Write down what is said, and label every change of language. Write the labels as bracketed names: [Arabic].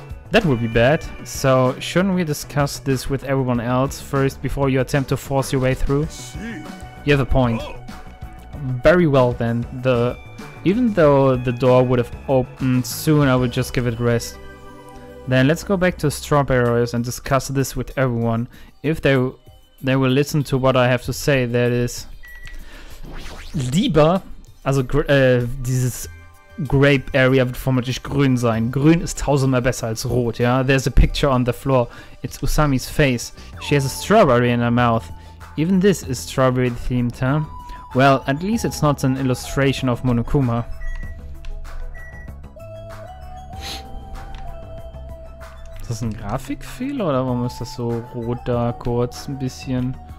[English] That would be bad, so shouldn't we discuss this with everyone else first before you attempt to force your way through? You have a point. Very well then, even though the door would have opened soon, I would just give it rest. Then let's go back to Strawberries and discuss this with everyone. If they will listen to what I have to say, that is... [German] Lieber, also dieses grape area wird vermutlich grün sein. Grün ist tausendmal besser als rot, ja? [English] There's a picture on the floor. It's Usami's face. She has a strawberry in her mouth. Even this is strawberry themed, huh? Well, at least it's not an illustration of Monokuma. [German] Ist das ein Grafikfehler oder warum ist das so rot da kurz ein bisschen?